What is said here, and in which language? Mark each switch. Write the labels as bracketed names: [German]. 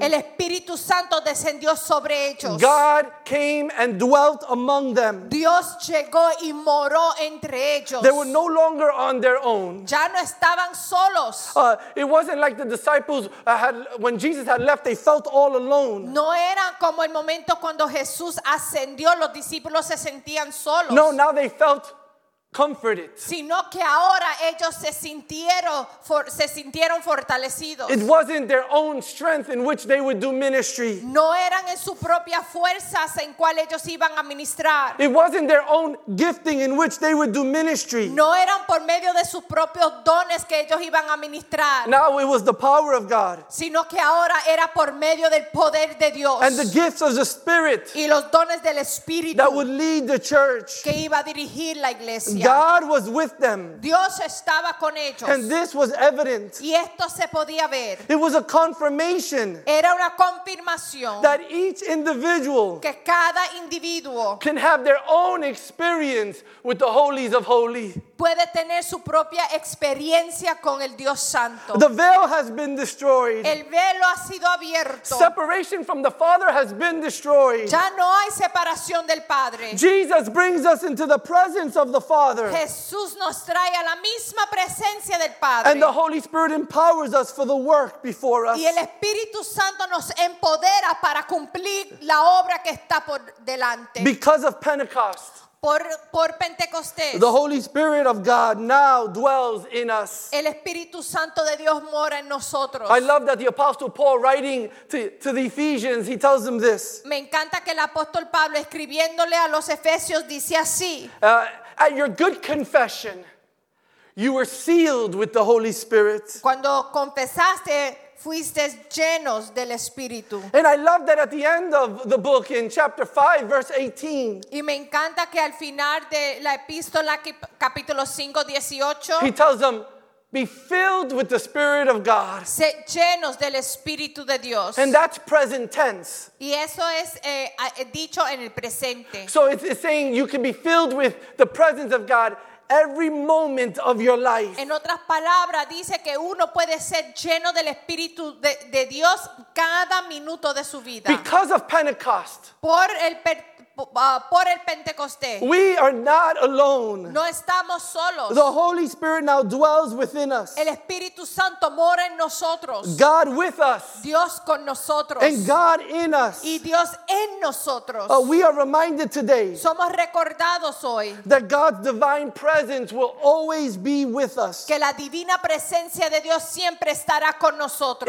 [Spanish] El Espíritu Santo descendió sobre ellos. [English] God came and dwelt among them. [Spanish] Dios llegó y moró entre ellos. [English] They were no longer on their own. [Spanish] Ya no estaban solos. [English] It wasn't like the disciples had, when Jesus had left, they felt all alone. [Spanish] No era como el momento cuando Jesús ascendió, los discípulos se sentían solos. [English] No, now they felt comforted. [Spanish] Sino que ahora ellos se sintieron fortalecidos. [English] It wasn't their own strength in which they would do ministry. [Spanish] No eran en su propia fuerzas en cual ellos iban a ministrar. [English] It wasn't their own gifting in which they would do ministry. [Spanish] No eran por medio de sus propios dones que ellos iban a ministrar. [English] Now it was the power of God. [Spanish] Sino que ahora era por medio del poder de Dios. [English] And the gifts of the Spirit. [Spanish] Y los dones del Espíritu. [English] That would lead the church. [Spanish] Que iba a dirigir la iglesia. [English] God was with them. [Spanish] Dios estaba con ellos. [English] And this was evident. [Spanish] Y esto se podía ver. [English] It was a confirmation. [Spanish] Era una confirmación. [English] That each individual. [Spanish] Que cada individuo. [English] Can have their own experience with the holies of holies. [Spanish] Puede tener su propia experiencia con el Dios Santo. [English] The veil has been destroyed. [Spanish] El velo ha sido abierto. [English] Separation from the Father has been destroyed. [Spanish] Ya no hay separación del Padre. [English] Jesus brings us into the presence of the Father. [Spanish] Jesús nos trae a la misma presencia del Padre. [English] And the Holy Spirit empowers us for the work before us. [Spanish] Y el Espíritu Santo nos empodera para cumplir la obra que está por delante. [English] Because of Pentecost. [Spanish] Por Pentecostés. [English] The Holy Spirit of God now dwells in us. [Spanish] El Espíritu Santo de Dios mora en nosotros. [English] I love that the Apostle Paul writing to the Ephesians, he tells them this. [Spanish] Me encanta que el apóstol Pablo escribiéndole a los Efesios dice así. [English] At your good confession, you were sealed with the Holy Spirit. [Spanish] Cuando confesaste, fuiste llenos del Espíritu. [English] And I love that at the end of the book in chapter 5 verse 18. [Spanish] Y me encanta que al final de la epístola capítulo 5 18. [English] He tells them, be filled with the Spirit of God. [Spanish] Sé llenos del Espíritu de Dios. [English] And that's present tense. [Spanish] Y eso es dicho en el presente. [English] So it's saying you can be filled with the presence of God every moment of your life. [Spanish] En otras palabras, dice que uno puede ser lleno del Espíritu de Dios cada minuto de su vida. [English] Because of Pentecost. [Spanish] Por el por el Pentecostés. [English] We are not alone. [Spanish] No estamos solos. [English] The Holy Spirit now dwells within us. [Spanish] El Espíritu Santo mora en nosotros. [English] God with us. [Spanish] Dios con nosotros. [English] And God in us. [Spanish] Y Dios en nosotros. [English] We are reminded today. [Spanish] Somos recordados hoy. [English] That God's divine presence will always be with us. [Spanish] Que la divina presencia de Dios siempre estará con nosotros.